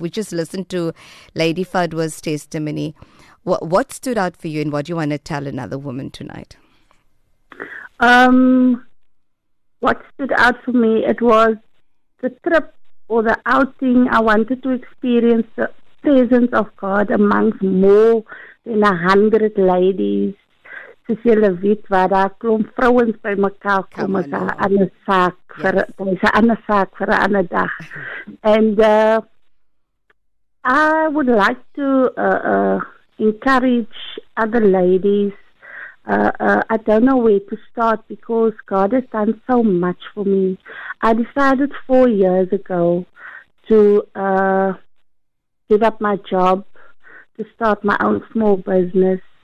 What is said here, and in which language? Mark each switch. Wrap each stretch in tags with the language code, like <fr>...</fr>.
<en>We just listened to Lady Fadwa's testimony. What stood out for you and what do you want to tell another woman tonight? What stood out for me, it was the trip or the outing. I wanted to experience the presence of God amongst more than 100 ladies.</en> <af>Dis julle weet waar daar klomp vrouens by mekaar kom as 'n ander saak vir dis 'n ander saak vir 'n ander dag.</af> <en>And I would like to encourage other ladies. I don't know where to start because God has done so much for me. I decided 4 years ago to give up my job to start my own small business.</en>